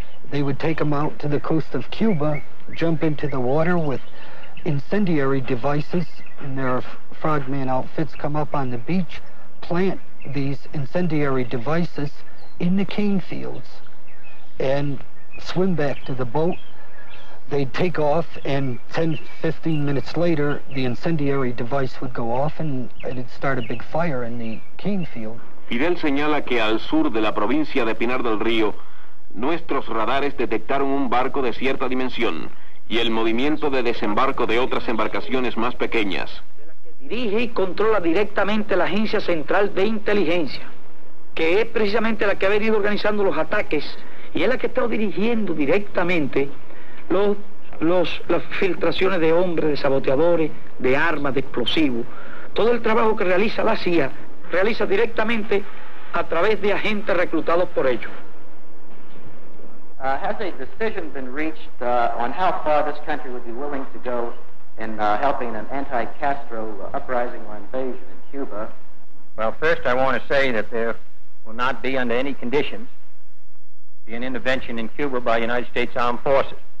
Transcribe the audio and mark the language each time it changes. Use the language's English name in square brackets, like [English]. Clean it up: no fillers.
[English] They would take them out to the coast of Cuba, jump into the water with incendiary devices, and their frogman outfits come up on the beach, plant these incendiary devices in the cane fields, and swim back to the boat. They'd take off, and 10, 15 minutes later, the incendiary device would go off, and it'd start a big fire in the cane field. [Spanish] Fidel señala que al sur de la provincia de Pinar del Río, nuestros radares detectaron un barco de cierta dimensión y el movimiento de desembarco de otras embarcaciones más pequeñas. La que dirige y controla directamente la Agencia Central de Inteligencia, que es precisamente la que ha venido organizando los ataques y es la que ha estado dirigiendo directamente las filtraciones de hombres, de saboteadores, de armas, de explosivos. Todo el trabajo que realiza la CIA realiza directamente a través de agentes reclutados por ellos. [English] Has a decision been reached on how far this country would be willing to go in helping an anti-Castro uprising or invasion in Cuba? Well, first I want to say that there will not be under any conditions be an intervention in Cuba by United States Armed Forces.